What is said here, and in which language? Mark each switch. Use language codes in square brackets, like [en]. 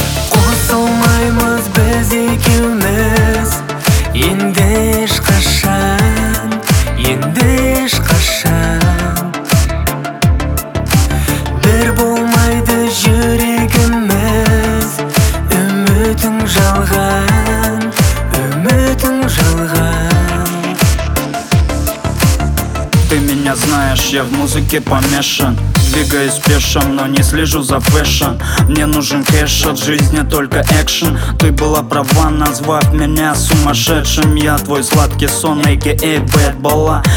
[en] What's all my most basic illness? [kk] Енді ешқашан, енді ешқашан. Бір болмайды жүрегіміз, үмітің жалған, үмітің жалған. [ru] Меня знаешь, я в музыке помешан. Двигаюсь пешим, но не слежу за фэшн. Мне нужен кэш, от жизни только экшен. Ты была права, назвав меня сумасшедшим. Я твой сладкий сон, a.k.a. Bad Bala.